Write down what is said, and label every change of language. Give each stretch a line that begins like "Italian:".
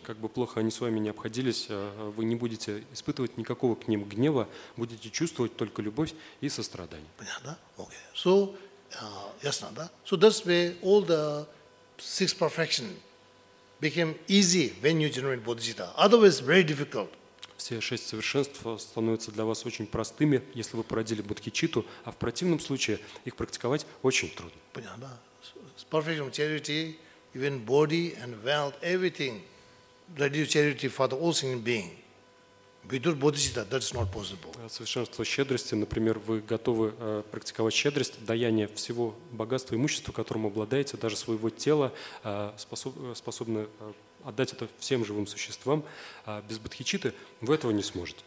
Russian: Как бы плохо они с вами ни обходились, вы не будете испытывать никакого к ним гнева, будете чувствовать только любовь и сострадание. Понятно?
English: Okay. So,
Russian: ясно, да?
English: So that's why all the six perfection became easy when you generate bodhicitta. Otherwise, very difficult.
Russian: Все шесть совершенств становятся для вас очень простыми, если вы породили бодхичитту, а в противном случае их практиковать очень трудно. Понятно.
English: С perfection of charity, even body and wealth, everything, ready to charity for the all sentient being. Without bodhicitta, that's not possible.
Russian: Совершенство щедрости, например, вы готовы практиковать щедрость, даяние всего богатства, имущества, которым обладаете, даже своего тела, способны отдать это всем живым существам, а без бодхичитты вы этого не сможете.